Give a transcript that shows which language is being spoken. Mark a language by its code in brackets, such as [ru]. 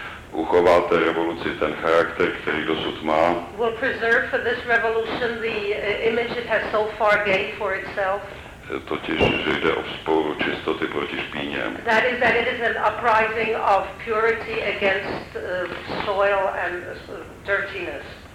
[cs] uchová té revoluci ten charakter, který dosud má. [en] Will preserve for this revolution the image it has so far gained for itself. [cs] Totiž, že jde o vzpouru čistoty proti špíně. [en] That is that it is an uprising of purity against soil and dirtiness.